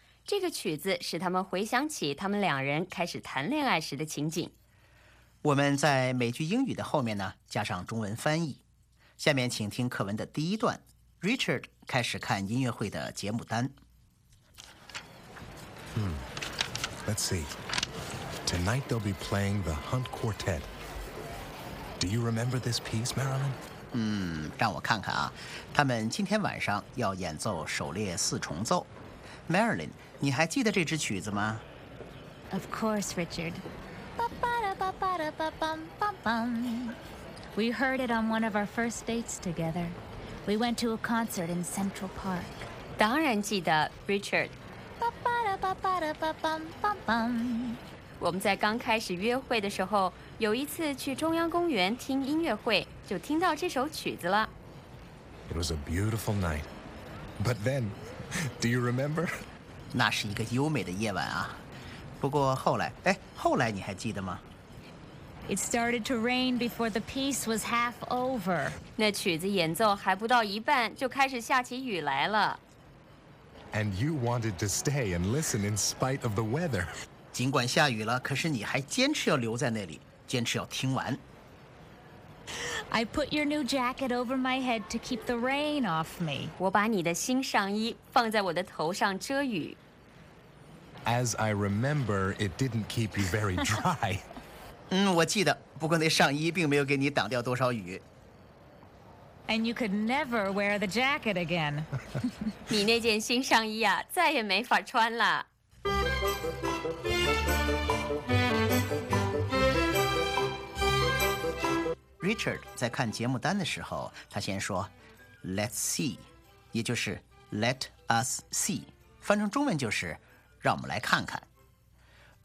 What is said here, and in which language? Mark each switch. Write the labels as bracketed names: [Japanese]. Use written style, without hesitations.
[English] This song made them remember the situation when they started dating again. [Chinese] 我们在每句英语的后面呢，加上中文翻译。下面请听课文的第一段。Richard 开始看音乐会的节目单。 [English] Let's see. Tonight they'll be playing the Hunt Quartet. Do you remember this piece, Marilyn? [Chinese] 让我看看啊，他们今天晚上要演奏狩猎四重奏。 Marilyn, 你还记得这支曲子吗？ [English] Of course, Richard. Ba-ba-ba-da-ba-bum-bum-bum. We heard it on one of our first dates together. We went to a concert in Central Park. [Chinese] 当然记得 ,Richard. Ba-ba-da-ba-ba-da-ba-bum-bum. 我们在刚开始约会的时候，有一次去中央公园听音乐会，就听到这首曲子了。 [English] It was a beautiful night. But then, do you remember? [Chinese] 那是一个优美的夜晚啊。不过后来，哎，后来你还记得吗？ [English] It started to rain before the piece was half over. [Chinese] 那曲子演奏还不到一半就开始下起雨来了。 [English] And you wanted to stay and listen in spite of the weather. [Chinese] 尽管下雨了，可是你还坚持要留在那里，坚持要听完。 [English] I put your new jacket over my head to keep the rain off me. [Chinese] 我把你的新上衣放在我的头上遮雨。 [English] As I remember, it didn't keep you very dry. [Chinese] 我记得，不过那上衣并没有给你挡掉多少雨。 [English] And you could never wear the jacket again. [Chinese] 你那件新上衣啊，再也没法穿了。 Richard 在看节目单的时候，他先说 [English] "Let's see"， [Chinese] 也就是 [English] "Let us see"， [Chinese] 翻成中文就是"让我们来看看"。